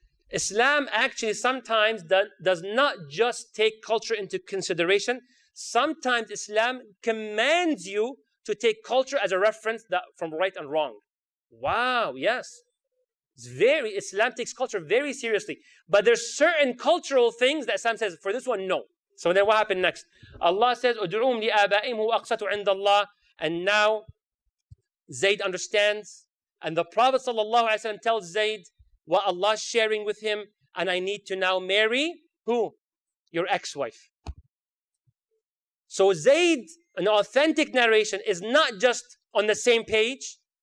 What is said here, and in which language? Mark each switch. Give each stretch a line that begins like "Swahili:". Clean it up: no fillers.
English: Islam actually sometimes does not just take culture into consideration. Sometimes Islam commands you to take culture as a reference that from right and wrong. Wow, yes. It's very, Islam takes culture very seriously. But there's certain cultural things that Islam says, for this one, no. So then what happened next? Allah says,
Arabic: ادعوهم لآبائهم هو أقسط عند الله.
English: And now Zayd understands. And the Prophet sallallahu alayhi wa sallam tells Zayd what Allah's sharing with him. And I need to now marry who? Your ex-wife. So Zayd, an authentic narration, is not just on the same page.